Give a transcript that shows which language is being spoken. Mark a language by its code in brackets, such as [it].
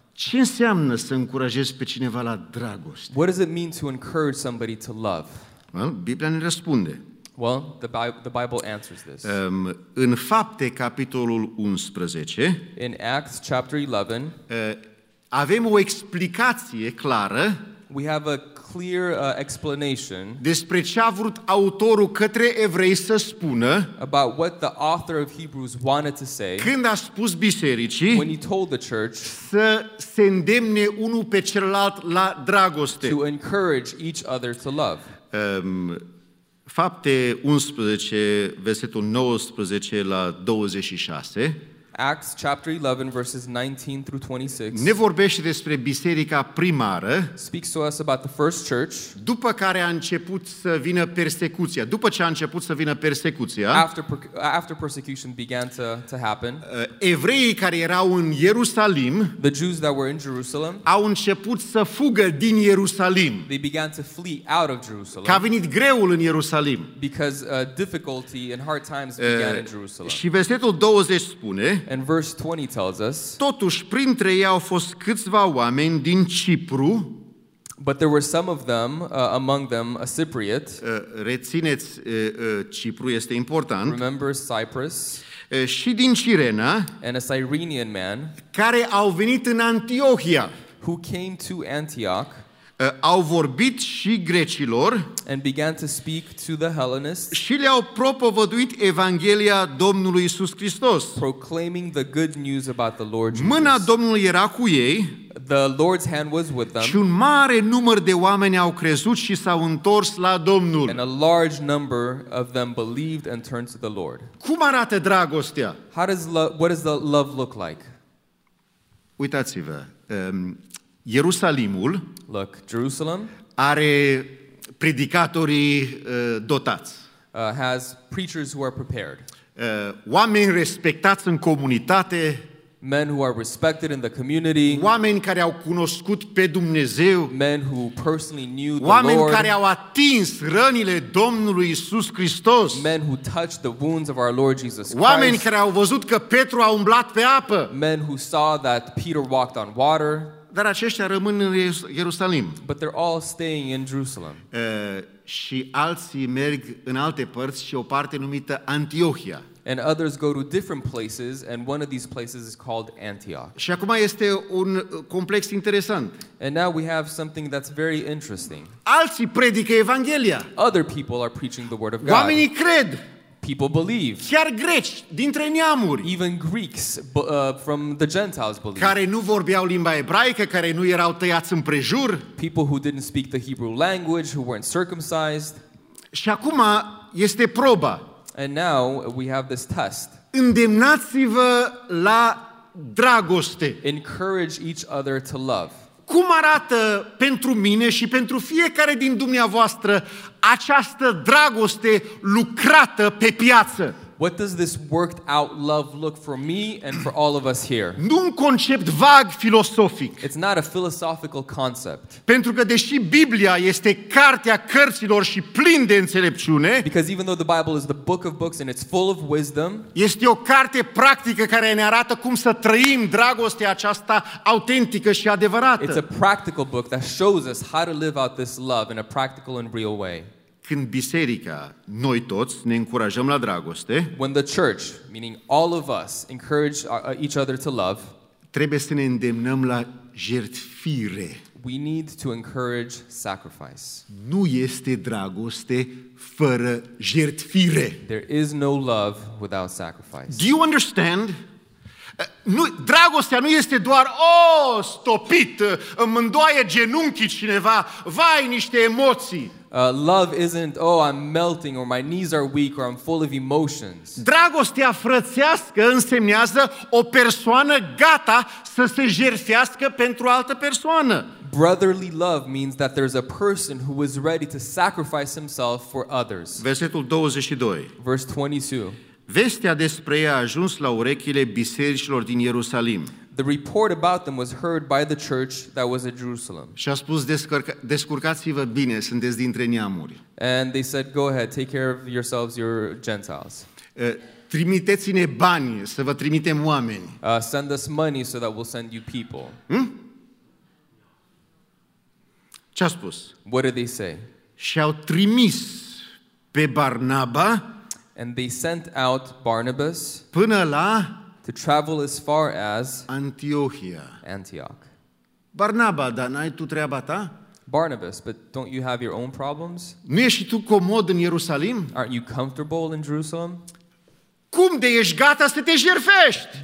[ro] Ce înseamnă să încurajezi pe cineva la dragoste? [en] What does it mean to encourage somebody to love? [ro] Well, Biblia ne răspunde. [en] Well, the Bible answers this. [ro] În Fapte capitolul 11, [en] in Acts chapter 11, [ro] avem o explicație clară. [en] We have a clear explanation [ro] despre ce a vrut autorul către evrei să spună, [en] about what the author of Hebrews wanted to say, [ro] când a spus bisericii, [en] when he told the church, [ro] să se îndemne unul pe celălalt la dragoste, [en] to encourage each other to love. [ro] Fapte 11 versetul 19 la 26. [en] Acts chapter 11 verses 19 through 26. [ro] Ne vorbește despre biserica primară. [en] Speaks to us about the first church. [ro] După care a început să vină persecuția. După ce a început să vină persecuția. [en] After persecution began to happen. [ro] Evreii care erau în Ierusalim, [en] the Jews that were in Jerusalem, [ro] au început să fugă din Ierusalim. [en] They began to flee out of Jerusalem. [ro] Că a venit greul în Ierusalim. [en] Because difficulty and hard times began in Jerusalem. [ro] Și versetul 20 spune. [en] And verse 20 tells us. [ro] Totuși, printre ei au fost câțiva oameni din Cipru. [en] But there were some of them, among them, a Cypriot. [ro] Rețineți, Cipru este important. [en] Remember Cyprus. [ro] Și din Cirena. [en] And a Cyrenian man. [ro] Care au venit în Antiohia. [en] Who came to Antioch. [ro] Au vorbit și grecilor. [en] And began to speak to the Hellenists. [ro] Și le-au propovăduit Evanghelia Domnului Iisus Hristos. [en] Proclaiming the good news about the Lord Jesus. [ro] Mâna Domnului era cu ei. [en] The Lord's hand was with them. [ro] Și un mare număr de oameni au crezut și s-au întors la Domnul. [en] And a large number of them believed and turned to the Lord. [ro] Cum arată dragostea? [en] What does the love look like? [ro] Uitați-vă. Ierusalimul. [en] Look, Jerusalem [ro] are predicatorii dotați. [en] Has preachers who are prepared. [ro] Oameni respectați în comunitate. [en] Men who are respected in the community. [ro] Oameni care au cunoscut pe Dumnezeu. [en] Men who personally knew the [ro] oameni [en] Lord. [ro] Care au atins rănile Domnului Iisus Hristos. [en] Men who touched the wounds of our Lord Jesus Christ. [ro] Oameni care au văzut că Petru a umblat pe apă. [en] Men who saw that Peter walked on water. [ro] Dar aceștia rămân în Ierusalim. [en] But they're all staying in Jerusalem. [ro] Și alții merg în alte părți și o parte numită Antiohia. [en] And others go to different places, and one of these places is called Antioch. [ro] Și acum este un complex interesant. [en] And now we have something that's very interesting. [ro] Alții predică Evanghelia. [en] Other people are preaching the word of God. [ro] Oamenii cred. [en] People believe. [ro] Chiar greci dintre neamuri. [en] Even Greeks from the Gentiles believe. [ro] Care nu vorbeau limba ebraică, care nu erau tăiați în prejur. [en] People who didn't speak the Hebrew language, who weren't circumcised. [ro] Și acum este proba. [en] And now we have this test. [ro] Îndemnați-vă la dragoste. [en] Encourage each other to love. [ro] Cum arată pentru mine și pentru fiecare din dumneavoastră această dragoste lucrată pe piață? [en] What does this worked out love look for me and for all of us here? [ro] Nu un concept vag filosofic. [en] It's not a philosophical concept. [ro] Pentru că deși Biblia este cartea cărților și plin de înțelepciune, [en] because even though the Bible is the book of books and it's full of wisdom, [ro] este o carte practică care ne arată cum să trăim dragostea aceasta autentică și adevărată. [en] It's a practical book that shows us how to live out this love in a practical and real way. [ro] Când biserica, noi toți, ne încurajăm la dragoste, [en] when the church, meaning all of us, encourage each other to love, [ro] trebuie să ne îndemnăm la jertfire. [en] We need to encourage sacrifice. [ro] Nu este dragoste fără jertfire. [en] There is no love without sacrifice. Do you understand? [ro] Nu, dragostea nu este doar stopit, îmi îndoaie genunchii cineva, vai, niște emoții. [en] Love isn't, I'm melting, or my knees are weak, or I'm full of emotions. [ro] Dragostea frățească însemnează o persoană gata să se jertfească pentru altă persoană. [en] Brotherly love means that there's a person who is ready to sacrifice himself for others. [ro] Versetul 22. [en] Verse 22. [ro] Vestea despre ea a ajuns la urechile bisericilor din Ierusalim. [en] The report about them was heard by the church that was at Jerusalem. [ro] Și a spus, descurcați-vă bine, sunteți dintre neamuri. [en] And they said, go ahead, take care of yourselves, you're Gentiles. [ro] Trimiteți-ne bani să vă trimitem oameni. [en] Send us money so that we'll send you people. Hmm? [ro] Ce a spus? [en] What did they say? [ro] Și-au trimis pe Barnaba. [en] And they sent out Barnabas. [ro] Până la... [en] To travel as far as [ro] Antiohia. [en] Antioch. [ro] Barnaba, dar n-ai tu treaba ta? [en] Barnabas, but don't you have your own problems? [ro] Nu ești tu comod în Ierusalim? [en] Aren't you comfortable in Jerusalem? [ro] Cum de ești gata să te jertfești?